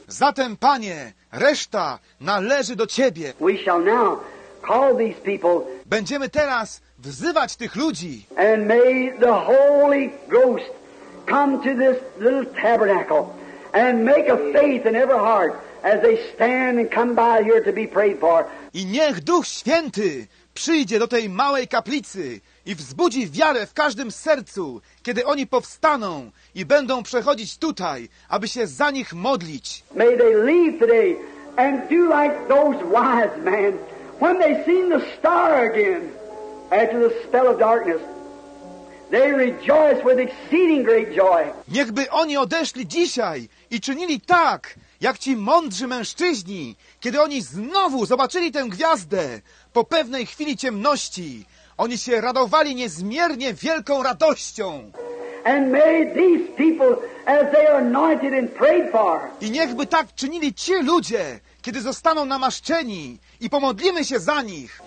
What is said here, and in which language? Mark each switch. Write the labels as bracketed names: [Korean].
[Polish] Zatem, Panie, reszta należy do Ciebie. [English] We shall now call these people. [Polish] Będziemy teraz wzywać tych ludzi. [English] And may the Holy Ghost come to this little tabernacle and make a faith in every heart as they stand and come by here to be prayed for. [Polish] I niech Duch Święty przyjdzie do tej małej kaplicy i wzbudzi wiarę w każdym sercu, kiedy oni powstaną i będą przechodzić tutaj, aby się za nich modlić. [English] May they leave today and do like those wise men when they seen the star again after the spell of darkness. They rejoice with exceeding great joy. [Polish] Niechby oni odeszli dzisiaj i czynili tak, jak ci mądrzy mężczyźni, kiedy oni znowu zobaczyli tę gwiazdę po pewnej chwili ciemności. Oni się radowali niezmiernie wielką radością. [English] And may these people, as they are anointed and prayed for. [Polish] I niechby tak czynili ci ludzie, kiedy zostaną namaszczeni i pomodlimy się za nich.